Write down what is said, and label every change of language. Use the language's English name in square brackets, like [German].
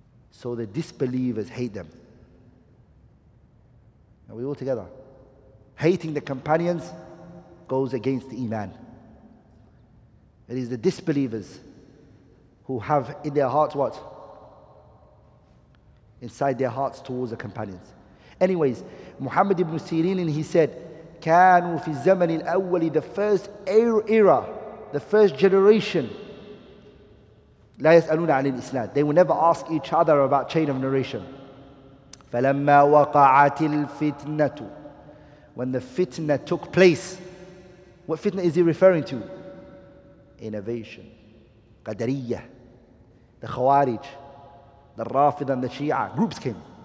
[English] So the disbelievers hate them. Are we all together? Hating the companions goes against the Iman. It is the disbelievers who have in their hearts what? Inside their hearts towards the companions. Anyways, Muhammad ibn Sirin, he said, [Arabic] كانوا في الزمن الأول, [English] the first era, the first generation, [Arabic] لا يسألون عن الإسناد. [English] They will never ask each other about chain of narration. [Arabic] فلما وقعت الفتنة, [English] when the fitna took place, what fitna is he referring to? Innovation, Qadariyah, the Khawarij, the Rafid and the Shia, groups came.